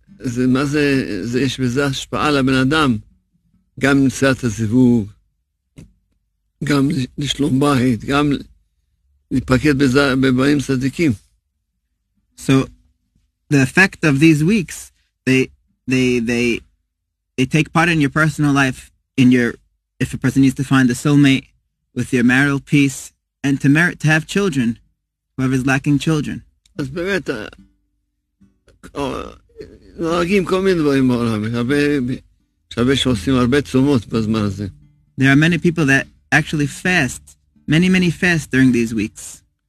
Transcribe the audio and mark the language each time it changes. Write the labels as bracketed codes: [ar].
[he] זה מה זה, זה יש בזה השפעה לבן אדם, גם למציאת הזיווג, גם לשלום בית, גם להיפקד בבנים צדיקים. [en] So, the effect of these weeks, they take part in your personal life, in your, if a person needs to find a soulmate, with your marital peace, and to merit to have children, whoever is lacking children. [he] אז באמת, נוהגים כל מיני דברים בעולם, שווה שעושים הרבה תשומות בזמן הזה. [en] There are many people that actually fast, many, many fast during these weeks.